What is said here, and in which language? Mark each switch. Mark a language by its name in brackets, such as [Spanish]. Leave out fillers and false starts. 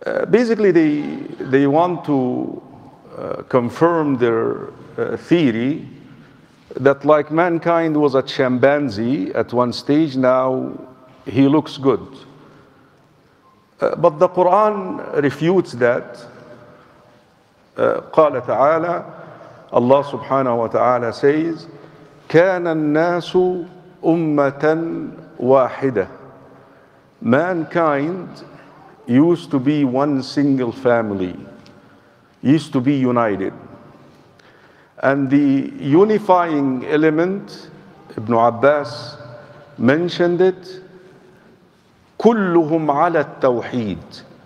[English] Basically, they want to confirm their theory that, like, mankind was a chimpanzee at one stage, now he looks good. But the Quran refutes that. [Arabic] قال تعالى, [English] Allah subhanahu wa ta'ala says, [Arabic] كان الناس أمة واحدة. [English] Mankind used to be one single family, used to be united. And the unifying element, Ibn Abbas mentioned it, [Arabic] كلهم على التوحيد.